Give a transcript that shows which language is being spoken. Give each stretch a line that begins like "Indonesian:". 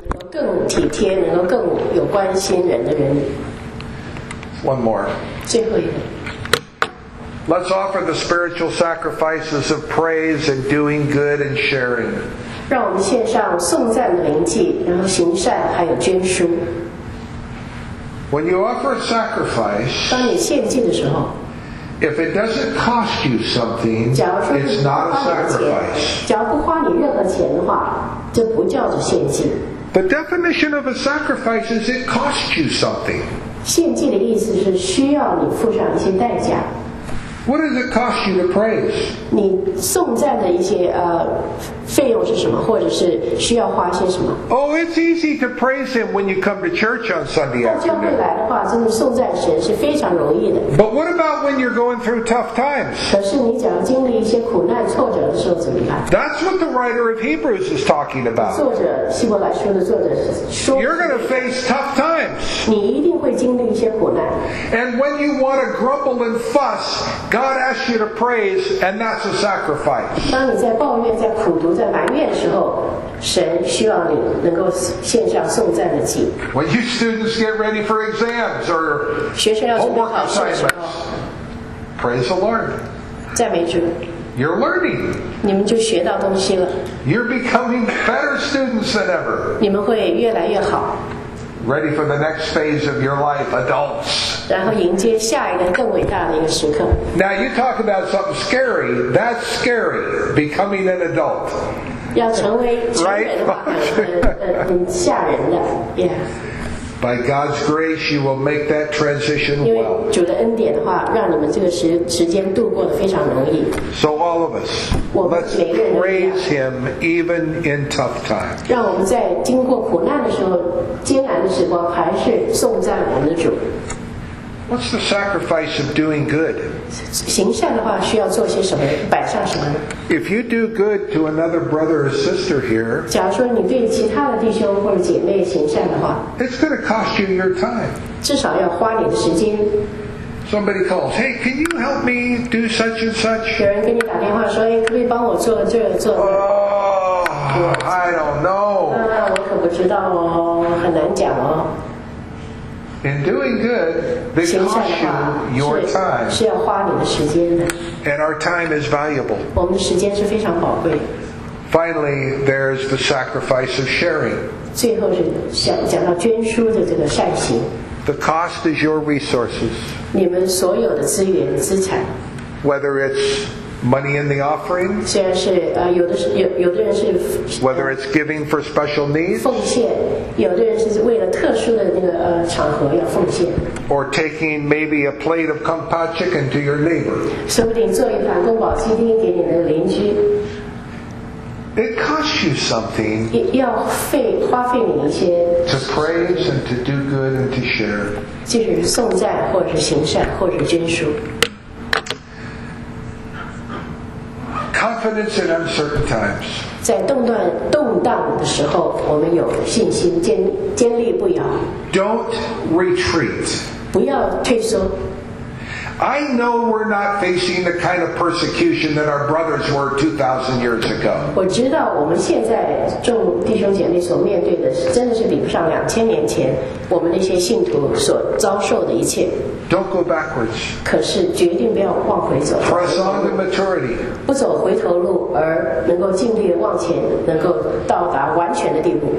Chinese: 更体贴，能够更有关心人的人。
English: One more.
Chinese: 最后一个。
English: Let's offer the spiritual sacrifices of praise and doing good and sharing.
Chinese: 让我们献上颂赞的灵祭，然后行善，还有捐书。
English: When you offer a sacrifice,
Chinese: 当你献祭的时候。
English: If it doesn't cost you something, it's not a sacrifice.
Chinese: 假如不花你任何钱的话，这不叫做献祭。
English: The definition of a sacrifice is it costs you something.
Chinese: 献祭的意思是需要你付上一些代价。
English: What does it cost you to praise?
Chinese: 你送赞的一些费用是什么，或者是需要花些什么？
English: Oh, it's easy to praise Him when you come to church on Sunday afternoon.
Chinese: 到教会来的话，真的送赞神是非常容易的。
English: But what about when you're going through tough times?
Chinese: 可是你假如经历一些苦难挫折的时候怎么办？
English: That's what the writer of Hebrews is talking about.
Chinese: 作者希伯来书的作者说，
English: You're going to face tough times.
Chinese: 你一定会经历一些苦难。
English: And when you want to grumble and fuss, God asks you to praise, and that's a sacrifice.
Chinese: 当你在抱怨、在苦读、在埋怨的时候，神希望你能够献上颂赞的祭。
English: When you students get ready for exams or homework assignments, praise the Lord.
Chinese: 赞美主。
English: You're learning.
Chinese: 你们就学到东西了。
English: You're becoming better students than ever.
Chinese: 你们会越来越好。
English: Ready for the next phase of your life, adults.
Chinese: 然后迎接下一个更伟大的一个时刻。
English: Now you talk about something scary. That's scary. Becoming an adult.
Chinese: 要成为成人的话，吓人的 ，Yeah.
English: By God's grace, you will make that transition well.
Chinese: 因为主的恩典的话，让你们这个时间度过得非常容易。
English: So all of us, let's praise Him even in tough times.
Chinese: 让我们在经过苦难的时候，艰难的时光，还是颂赞我们的主。
English: What's the sacrifice of doing good?
Chinese: 行善的话需要做些什么？摆上什么呢？
English: If you do good to another brother or sister here,
Chinese: 假如说你对其他的弟兄或者姐妹行善的话，
English: it's going to cost you your time.
Chinese: 至少要花你的时间。
English: Somebody calls, hey, can you help me do such and such?
Chinese: 有人给你打电话说，哎，可以帮我做这做那。
English: Oh, I don't know.
Chinese: 我可不知道哦，很难讲哦。
English: In doing good, they cost you your time.
Chinese: 是要花你的时间的。
English: And our time is valuable.
Chinese: 我们的时间是非常宝贵。
English: Finally, there's the sacrifice of sharing.
Chinese: 最后是讲到捐书的这个善行。
English: The cost is your resources.
Chinese: 你们所有的资源资产。
English: Whether it's money in the offering.
Chinese: 虽然是有的人是。
English: Whether it's giving for special needs.
Chinese: 奉献。有的人是为了特殊的那个场合要奉献。
English: Or taking maybe a plate of kung pao chicken to your neighbor.
Chinese: 说不定做一盘宫保鸡丁给你的邻居。
English: It costs you something.
Chinese: 要花费你一些。
English: To praise and to do good and to share.
Chinese: 就是颂赞或者行善或者捐书。
English: Confidence in uncertain times.
Chinese: 在动荡的时候，我们有信心，坚立不摇。
English: Don't retreat.
Chinese: 不要退缩。
English: I know we're not facing the kind of persecution that our brothers were 2,000 years ago.
Chinese: 我知道我们现在众弟兄姐妹所面对的，真的是比不上2000年前我们那些信徒所遭受的一切。
English: Don't go backwards.
Chinese: 可是决定不要往回走。
English: Press on to maturity.
Chinese: 不走回头路，而能够尽力往前，能够到达完全的地步。